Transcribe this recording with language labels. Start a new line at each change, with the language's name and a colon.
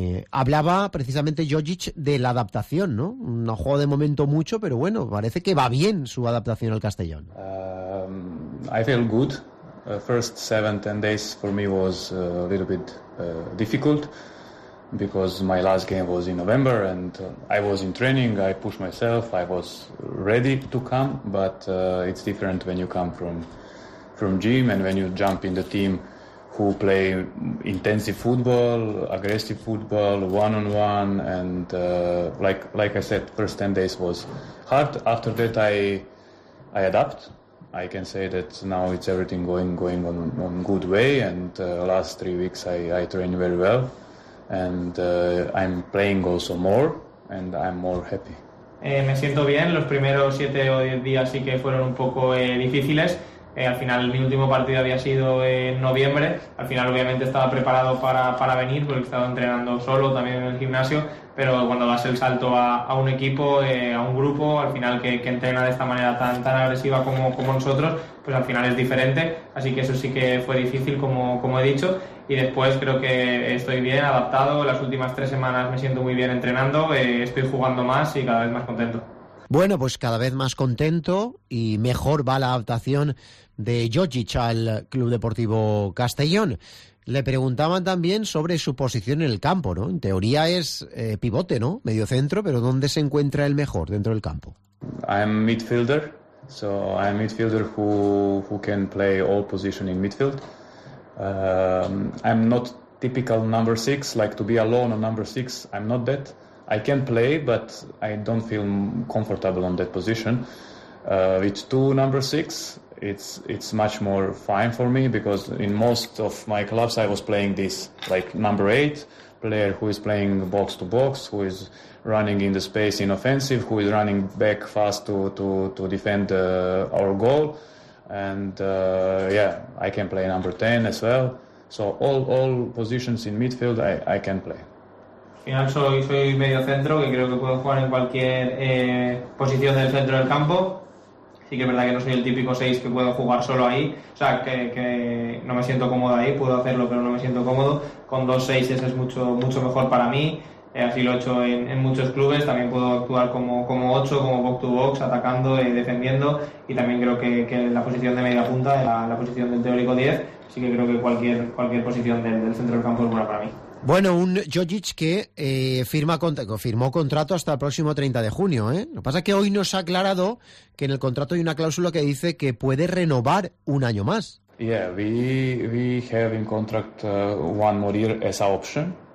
Spanish: Hablaba precisamente Jojic de la adaptación, ¿no? No juego de momento mucho, pero bueno, parece que va bien su adaptación al Castellón.
English: I feel good. First 7-10 days for me was a little bit difficult because my last game was in November and I was in training, I pushed myself, I was ready to come, but it's different when you come from gym and when you jump in the team who play intensive football, aggressive football, one-on-one, and like I said, first 10 days was hard. After that, I adapt. I can say that now it's everything going on good way, and last 3 weeks I train very well, and I'm playing also more, and I'm more happy.
Spanish: Me siento bien. Los primeros 7 o 10 días sí que fueron un poco difíciles. Al final mi último partido había sido en noviembre, al final obviamente estaba preparado para venir porque estaba entrenando solo también en el gimnasio, pero cuando das el salto a un equipo, a un grupo, al final que entrena de esta manera tan agresiva como nosotros, pues al final es diferente, así que eso sí que fue difícil como he dicho, y después creo que estoy bien adaptado, las últimas 3 semanas me siento muy bien entrenando, estoy jugando más y cada vez más contento. Bueno, pues cada vez más contento y mejor va la adaptación de Jojic al Club Deportivo Castellón. Le preguntaban también sobre su posición en el campo, ¿no? En teoría es pivote, ¿no? Medio centro, pero ¿dónde se encuentra el mejor dentro del campo?
English: I'm midfielder, so I'm midfielder who can play all position in midfield. I'm not typical number six, like to be alone on number six, I'm not that. I can play, but I don't feel comfortable on that position. With two number six, it's much more fine for me because in most of my clubs I was playing this like number eight player who is playing box to box, who is running in the space in offensive, who is running back fast to defend our goal, and I can play number 10 as well. So all positions in midfield I can play.
Spanish: Al final soy medio centro, que creo que puedo jugar en cualquier posición del centro del campo. Sí que es verdad que no soy el típico 6 que puedo jugar solo ahí. O sea, que no me siento cómodo ahí, puedo hacerlo, pero no me siento cómodo. Con 2-6 es mucho, mucho mejor para mí. Así lo he hecho en muchos clubes. También puedo actuar como 8, como box to box, atacando y defendiendo. Y también creo que la posición de media punta, la posición del teórico 10. Así que creo que cualquier posición del centro del campo es buena para mí. Bueno, un Jokic que firmó contrato hasta el próximo 30 de junio, ¿eh? Lo que pasa es que hoy nos ha aclarado que en el contrato hay una cláusula que dice que puede renovar un año más.
English: Yeah, we have in contract one more year as an option.